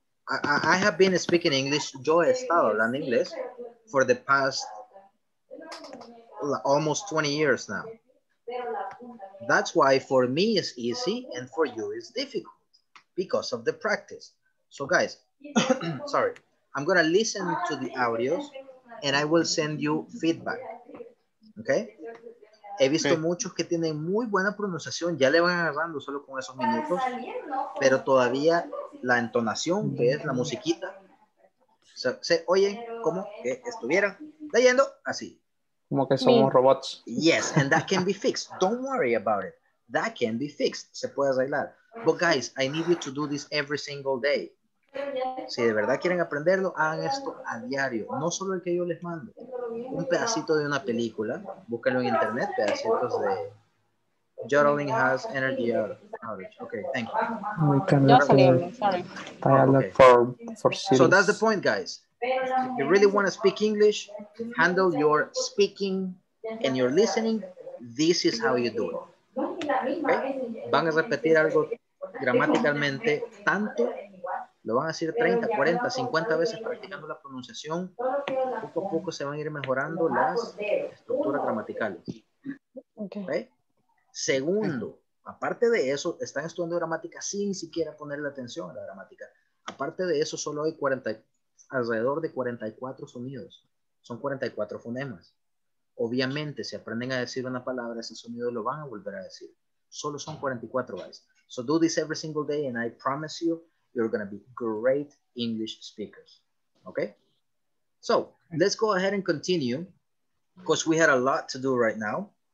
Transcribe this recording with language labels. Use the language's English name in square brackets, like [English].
[English] I have been speaking English, yo he estado hablando inglés, for the past almost 20 years now. That's why for me it's easy and for you it's difficult, because of the practice. So guys, sorry, I'm gonna listen to the audios and I will send you feedback, okay? [Spanish] He visto muchos que tienen muy buena pronunciación, ya le van agarrando solo con esos minutos, pero todavía la entonación, que es la musiquita, se oye como que estuvieran leyendo así. Como que somos robots. [English] Yes, and that can be fixed. Don't worry about it. That can be fixed. Se puede arreglar. But guys, I need you to do this every single day. [Spanish] Si de verdad quieren aprenderlo, hagan esto a diario. No solo el que yo les mando. Un pedacito de una película. Búsquenlo en internet. Pedacitos de... [English] Juggling has energy outage. Okay, thank you. We can So that's the point, guys. If you really want to speak English, handle your speaking and your listening, this is how you do it. Okay? [Spanish] Van a repetir algo gramaticalmente tanto, lo van a decir 30, 40, 50 veces practicando la pronunciación, poco a poco se van a ir mejorando las estructuras gramaticales. [English] Okay. [Spanish] Segundo, aparte de eso, están estudiando gramática sin siquiera ponerle atención a la gramática. Aparte de eso, solo hay alrededor de 44 sonidos. Son 44 fonemas. Obviamente, si aprenden a decir una palabra, ese sonido lo van a volver a decir. Solo son 44, guys. [English] So do this every single day, and I promise you, you're going to be great English speakers. Okay? So, let's go ahead and continue, because we had a lot to do right now.